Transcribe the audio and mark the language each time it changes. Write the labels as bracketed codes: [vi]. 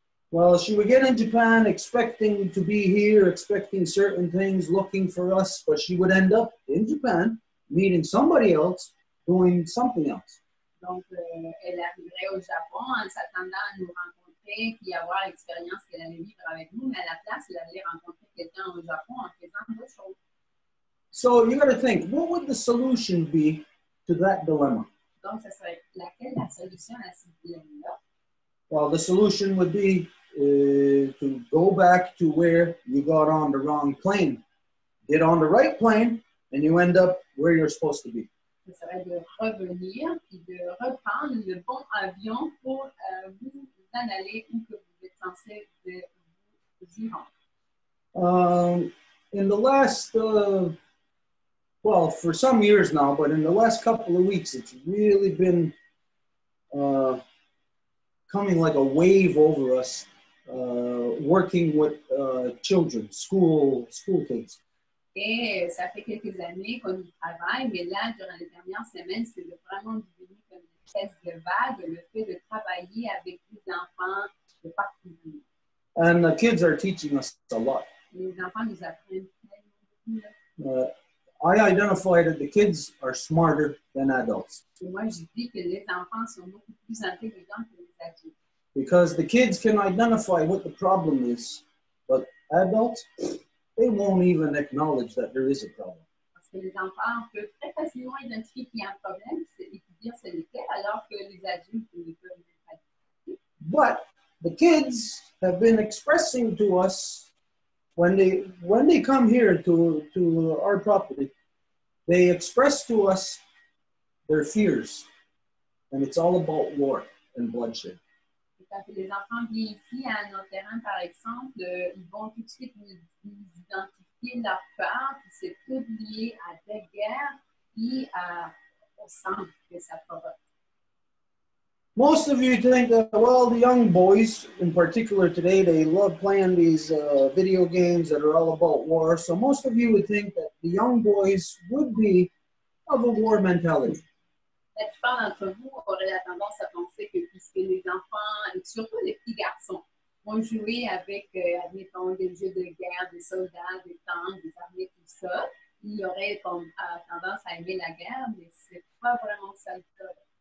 [en] Well, she would get in Japan expecting to be here, expecting certain things, looking for us, but she would end up in Japan meeting somebody else doing something else. [fr] Donc, elle arriverait au Japon en s'attendant à nous rencontrer puis avoir l'expérience qu'elle allait vivre avec nous, mais à la place, elle allait rencontrer quelqu'un au Japon en faisant d'autres choses. [en] So, you got to think, what would the solution be to that dilemma? [fr] Donc, ça serait laquelle la solution à ce dilemme-là? [en] Well, the solution would be to go back to where you got on the wrong plane. Get on the right plane, and you end up where you're supposed to be. [fr] Ça serait de revenir et de reprendre le bon avion pour vous en aller où que vous êtes censé de vous y rendre. [en] In the last, well, for some years now, but in the last couple of weeks, it's really been coming like a wave over us, working with children, school kids. [fr] Et ça fait quelques années qu'on y travaille, mais là, durant les dernières semaines, c'est vraiment devenu comme une espèce de vague, le fait de travailler avec des enfants de partout. [en] And the kids are teaching us a lot. [fr] Les enfants nous apprennent tellement beaucoup. [en] I identify that the kids are smarter than adults. [fr] Et moi, je dis que les enfants sont beaucoup plus intelligents que les adultes. [en] Because the kids can identify what the problem is, but adults, they won't even acknowledge that there is a problem. [fr] Parce que les enfants peuvent très facilement identifier qu'il y a un problème et puis dire c'est lequel, alors que les adultes ne peuvent même pas. [en] But the kids have been expressing to us when they come here to our property, they express to us their fears, and it's all about war and bloodshed. [fr] Quand les enfants viennent ici à notre terrain, par exemple, ils vont tout de suite nous identifier leur peur, puis c'est tout lié à la guerre et au sang que ça provoque. [en] Most of you think that, well, the young boys, in particular today, they love playing these video games that are all about war. So most of you would think that the young boys would be of a war mentality. [fr] La plupart d'entre vous auraient la tendance à penser que puisque les enfants, et surtout les petits garçons, vont jouer avec, admettons, des jeux de guerre, des soldats, des tanks, des armées, tout ça, ils auraient tendance à aimer la guerre, mais ce n'est pas vraiment ça le cas.